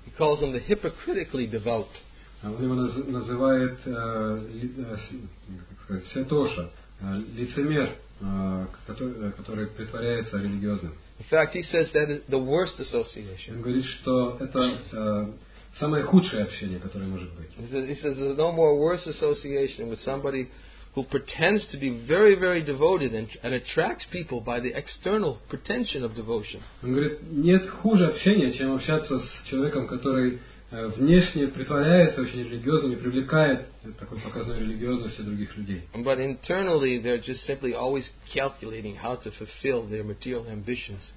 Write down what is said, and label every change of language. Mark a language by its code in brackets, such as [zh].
[en] He calls them the hypocritically devout. [ru] Он его называет, как сказать, святоша, лицемер, который притворяется религиозным. [en] In fact, he says that is the worst association. [ru] Он говорит, что это самое худшее общение, которое может быть. [en] He says there's no more worse association with somebody who pretends to be very, very devoted and attracts people by the external pretension of devotion. [ru] Он говорит, нет хуже общения, чем общаться с человеком, который внешне притворяется очень религиозным и привлекает такой показной религиозностью других людей. [en] But internally they're just simply always calculating how to fulfill their material ambitions.